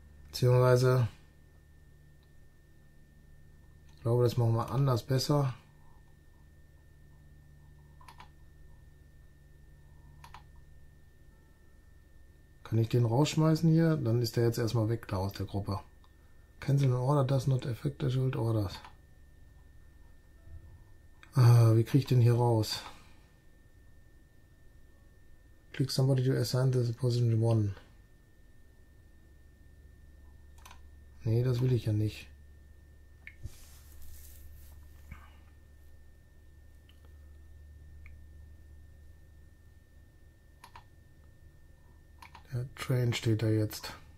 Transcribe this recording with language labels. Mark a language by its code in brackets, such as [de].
[de] Beziehungsweise, ich glaube, das machen wir anders besser. Kann ich den rausschmeißen hier? Dann ist der jetzt erstmal weg da aus der Gruppe. [en] Cancel an order does not affect the old orders. [de] Wie kriege ich den hier raus? [en] Click somebody to assign the position one. [de] Nee, das will ich ja nicht. Der Train steht da jetzt.